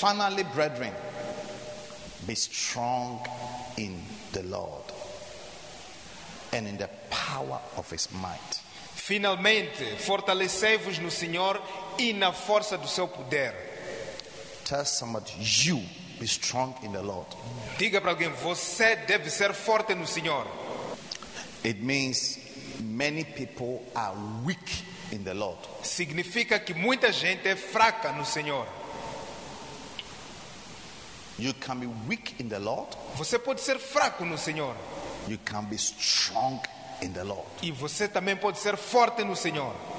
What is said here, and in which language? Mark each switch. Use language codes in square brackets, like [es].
[en] Finally, brethren, be strong in the Lord and in the power of His might. [pt] Finalmente, fortalecei-vos no Senhor e na força do seu poder. [en] Tell somebody, you be strong in the Lord. [pt] Diga para alguém, você deve ser forte no Senhor. [en] It means many people are weak in the Lord. [pt] Significa que muita gente é fraca no Senhor. [en] You can be weak in the Lord. [pt] Você pode ser fraco no Senhor. [en] You can be strong in the Lord. [pt] E você também pode ser forte no Senhor.